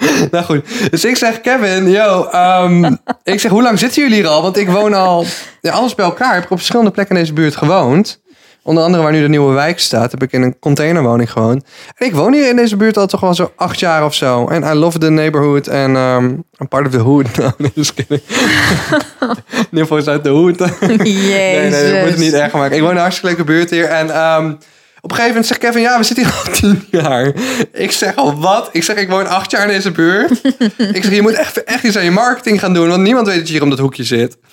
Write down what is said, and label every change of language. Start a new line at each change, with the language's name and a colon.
Dutch: Nou goed, dus ik zeg Kevin, yo, ik zeg, hoe lang zitten jullie hier al? Want ik woon al, ja, alles bij elkaar, heb ik op verschillende plekken in deze buurt gewoond. Onder andere waar nu de nieuwe wijk staat, heb ik in een containerwoning gewoond. En ik woon hier in deze buurt al toch wel zo 8 jaar of zo.
English: En I love the neighborhood and I'm part of the hood. No, just kidding.
Dutch: In ieder geval is uit de hood. Jezus. Nee, dat moet het niet erg maken. Ik woon in een hartstikke leuke buurt hier en... op een gegeven moment zegt Kevin, ja, we zitten hier al 10 jaar. Ik zeg al, wat? Ik zeg, ik woon 8 jaar in deze buurt. Ik zeg, je moet echt iets aan je marketing gaan doen. Want niemand weet dat je hier om dat hoekje zit.